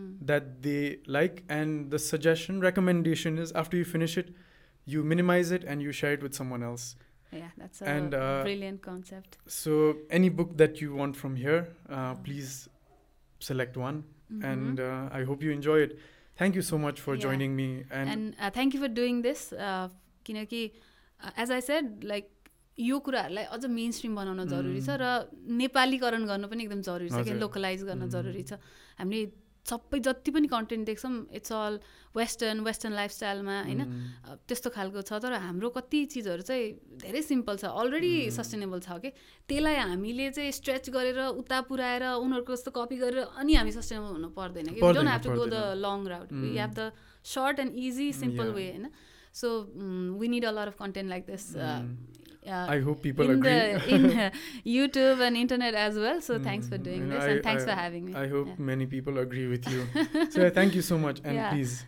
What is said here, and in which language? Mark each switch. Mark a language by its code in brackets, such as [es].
[en] that they like, and the suggestion, recommendation is after you finish it, you minimize it and you share it with someone else. Yeah, that's a brilliant concept. So any book that you want from here, please select one. Mm-hmm. And I hope you enjoy it. Thank you so much for joining me. And thank you for doing this. [ne] Kinaki, [en] as I said, [ne] like, यो कुराहरूलाई अझ mainstream बनाउन जरुरी छ र नेपालीकरण गर्नु पनि एकदम जरुरी छ कि लोकलाइज गर्न जरुरी छ हामीले सबै जति पनि कन्टेन्ट देख्छौँ [en] it's all western [ne] लाइफस्टाइलमा होइन त्यस्तो खालको छ तर हाम्रो कति चिजहरू चाहिँ धेरै सिम्पल छ अलरेडी सस्टेनेबल छ कि त्यसलाई हामीले चाहिँ स्ट्रेच गरेर उता पुऱ्याएर उनीहरूको जस्तो कपी गरेर अनि हामी सस्टेनेबल हुनु पर्दैन कि [en] don't have to go the long route we have the short and easy simple way [ne] होइन [en] So we need a lot of content like this I hope people agree. In YouTube and internet as well. So thanks for doing this and thanks for having me. I hope many people agree with you. So thank you so much and please.